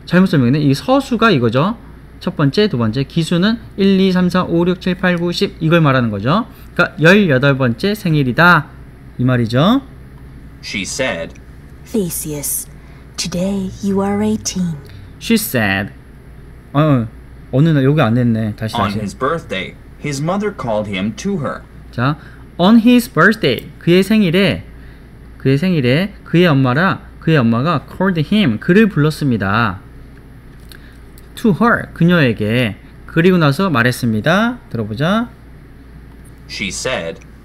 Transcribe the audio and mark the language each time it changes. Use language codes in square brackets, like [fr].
[ko] 잘못 설명했네. 이 서수가 이거죠. 첫 번째, 두 번째, 기수는 1, 2, 3, 4, 5, 6, 7, 8, 9, 10 이걸 말하는 거죠. 그러니까 18번째 생일이다. 이 말이죠. [en] She said, Theseus, today you are 18. She said, [ko] 어느 날 여기 안 됐네. 다시 [en] On his birthday, his mother called him to her. [ko] 자, [en] on his birthday, [ko] 그의 생일에, 그의 생일에 그의 엄마라, 그의 엄마가 called him, 그를 불렀습니다. [en] To her, [ko] 그녀에게. 그리고 나서 말했습니다. 들어보자. [en] She said,